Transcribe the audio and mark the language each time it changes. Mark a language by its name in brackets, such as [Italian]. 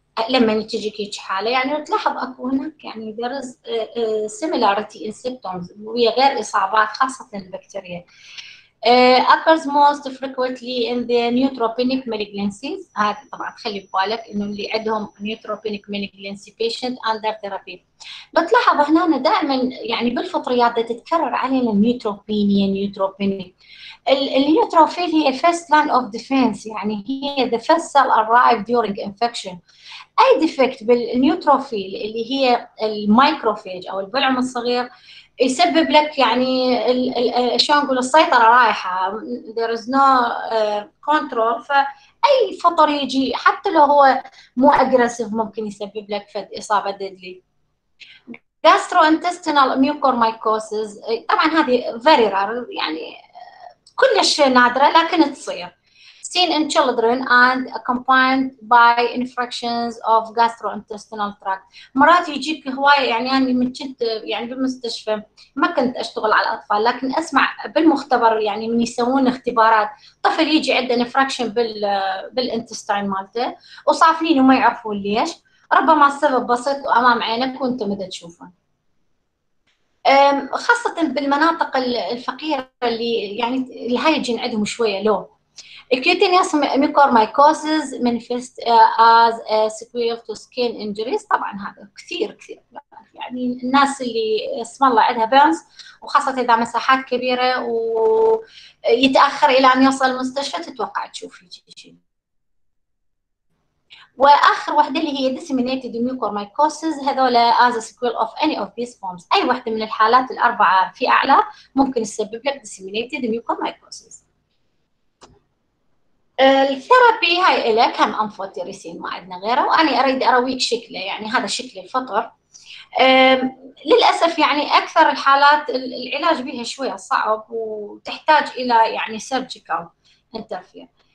[Arabic] لما تجيك هيك حالة يعني تلاحظ اكو هناك يعني [English] there is similarity in symptoms [Arabic] ويا غير اصابات خاصة البكتيريا. [English] Occurs most frequently in the neutropenic malignancies. [Arabic] هذا طبعا تخلي ببالك انه اللي عندهم [English] neutropenic malignancy patient under therapy. [Arabic] بتلاحظ هنا دائما يعني بالفطريات تتكرر علينا neutropenia neutropenic. النيوتروفيل هي [English] first line of defense، [Arabic] يعني هي [English] the first cell arrived during infection. [Arabic] اي defect بالنيوتروفيل اللي هي المايكروفاج او البلعوم الصغير يسبب لك يعني شلون نقول السيطره رايحه، [English] there is no control. [Arabic] فاي فطر يجي حتى لو هو مو اجريسيف ممكن يسبب لك فد اصابه ديدلي. gastrointestinal mucormycosis طبعا هذه [English] very rare، [Arabic] يعني كلش نادره لكن تصير. [English] seen in children and accompanied by infections of gastrointestinal tract. [Arabic] مرات يجيك هواي يعني أنا من كنت يعني بالمستشفى ما كنت أشتغل على الأطفال، لكن أسمع بالمختبر يعني من يسوون اختبارات طفل يجي عنده infection بالانتستين مالته وصافنين وما يعرفوا ليش، ربما السبب بسيط وأمام عينك وأنت مدى تشوفه، خاصة بالمناطق الفقيرة اللي يعني الهيجين عندهم شوية لو. [English] Cutaneous mucormycosis manifest as a sequel to skin injuries. [Arabic] طبعا هذا كثير كثير يعني الناس اللي اسم الله عندها بيرنز وخاصة إذا مساحات كبيرة ويتأخر إلى أن يوصل المستشفى تتوقع تشوف شيء. وآخر واحدة اللي هي disseminated mucormycosis، هذولا [English] as a sequel of any of these forms. [Arabic] أي واحدة من الحالات الأربعة في أعلى ممكن تسبب لك disseminated mucormycosis. الثيرابي هاي لك هم أمفوتيريسين ما عندنا غيره، وأنا أريد أرويك شكله يعني هذا شكل الفطر. للأسف يعني أكثر الحالات العلاج بها شوية صعب وتحتاج إلى يعني [English] Surgical interfere.